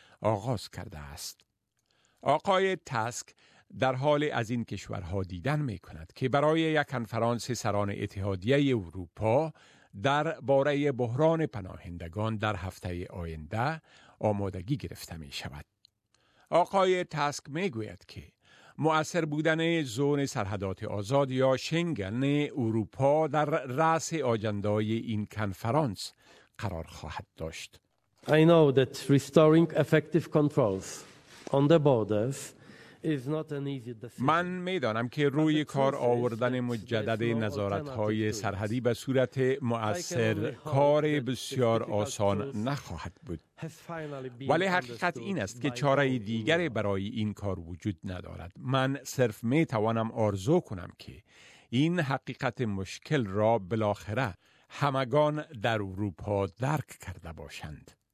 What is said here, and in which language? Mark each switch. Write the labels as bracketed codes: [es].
[fa] آغاز کرده است. آقای تسک در حال از این کشورها دیدن می کند که برای یک کنفرانس سران اتحادیه اروپا در باره بحران پناهندگان در هفته آینده آمادگی گرفته می شود. آقای تسک می گوید که مؤثر بودن زون سرحدات آزاد یا شنگن اروپا در رأس آجندای این کنفرانس قرار خواهد داشت. [en] I know that restoring effective controls on the borders is not an easy decision. [fa] من میدانم که روی کار آوردن مجدد نظارت های سرحدی به صورت مؤثر کار بسیار آسان نخواهد بود. ولی حقیقت این است که چاره دیگری برای این کار وجود ندارد. من صرف می توانم آرزو کنم که این حقیقت مشکل را بالاخره همگان در اروپا درک کرده باشند.